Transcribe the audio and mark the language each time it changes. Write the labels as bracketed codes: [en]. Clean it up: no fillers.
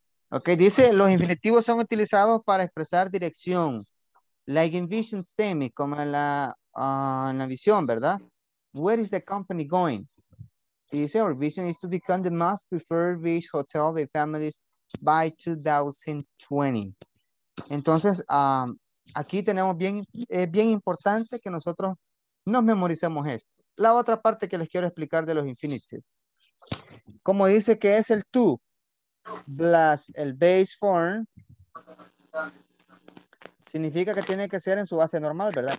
[es] Ok, dice, los infinitivos son utilizados para expresar dirección, [en] like in vision statement, [es] como en la visión, ¿verdad? [en] Where is the company going? Y dice, our vision is to become the most preferred beach hotel by families by 2020. [es] Entonces, aquí tenemos bien importante que nosotros nos memoricemos esto. La otra parte que les quiero explicar de los infinitives. Como dice que es el tú, plus el base form, significa que tiene que ser en su base normal, ¿verdad?